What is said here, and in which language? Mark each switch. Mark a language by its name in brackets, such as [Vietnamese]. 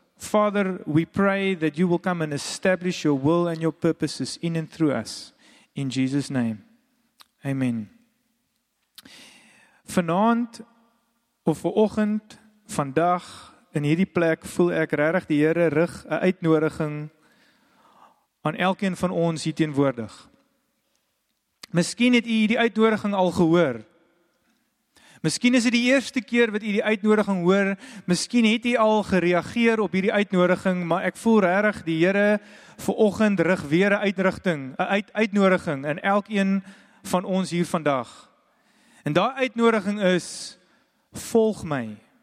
[English] Father, we pray that you will come and establish your will and your purposes in and through us. In Jesus' name. Amen. [Afrikaans] Vanaand, of vanoggend, vandag, in hierdie plek, voel ek regtig die Here rig 'n uitnodiging aan elkeen van ons hier teenwoordig. Miskien het u die uitnodiging al gehoor. Miskien is dit die eerste keer wat u die uitnodiging hoor. Miskien het u al gereageer op hierdie uitnodiging, maar ek voel regtig die Here vanoggend rig weer 'n uitrigting, 'n uitnodiging in elkeen van ons hier vandag. En daai uitnodiging is, volg my.